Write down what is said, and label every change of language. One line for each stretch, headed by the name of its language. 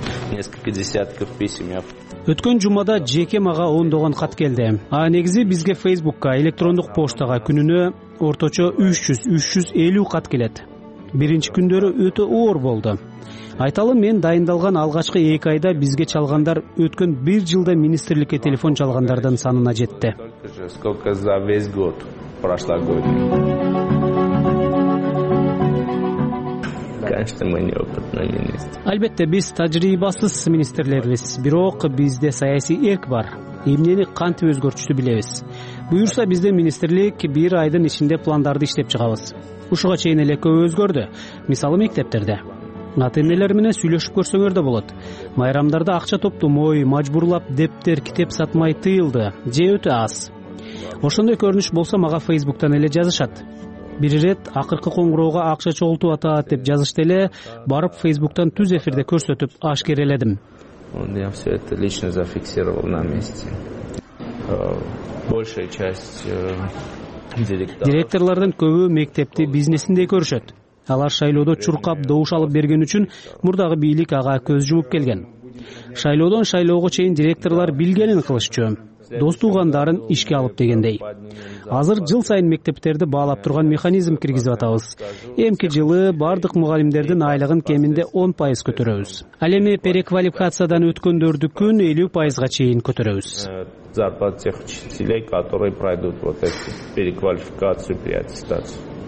Russian: Несколько десятков писем я.
Kyrgyz: Өткөн жумада жеке мага 10 кат келди. А негизи бизге Facebook'ка, электрондук почтага күнүнө орточо 300-350 кат келет. Биринчи күндөрү өтө оор болду. Айталы, мен дайындалган алгачкы 2 айда бизге чалгандар өткөн 1 жылда министрликке телефон чалгандардын санына жетти.
Russian: Сколько за весь год прошлогодний? конечно, мы неопытные министры.
Kyrgyz: Албетте, биз тажрыйбасыз министрлербиз, бирок бизде саясий эрк бар. Эмнени кантип өзгөрчүштү билебиз. Буюрса бизде министрлик бир айдын ичинде пландарды иштеп чыгабыз. Ушуга чейин эле көп өзгөрдү. Мисалы мектептерде. Ата-энелер менен сүйлөшүп көрсөңөр да болот. Майрамдарда акча топтомой, мажбурлап дептер, китеп сатмай тыйылды же өтө аз. Ошондой көрүнүш болсо мага Facebook'тан эле жазышат. Бир ирет акыркы коңгуроого акча чогултуп атат деп жазышты эле барып Facebook'тан түз эфирде көрсөтүп ашкереледим.
Russian: Он я все это лично зафиксировал на месте. Большая часть
Kyrgyz: директорлордун көбү мектепти бизнесиндей көрүшөт. Алар шайлоодо чуркап добуш алып берген үчүн мурдагы бийлик ага көз жумуп келген. Шайлоодон шайлоого чейин директорлор билгенин кылышчу. Достугандарын ишке алып дегендей. Азыр жыл сайын мектептерди баалап турган механизм киргизип атабыз. Эмки жылы бардык мугалимдердин айлыгын кеминде 10% көтөрөбүз. Ал эми переквалификациядан өткөндөрдүкүн 50% чейин көтөрөбүз.
Russian: Зарплат тех учителей, которые пройдут вот эту переквалификацию при аттестации.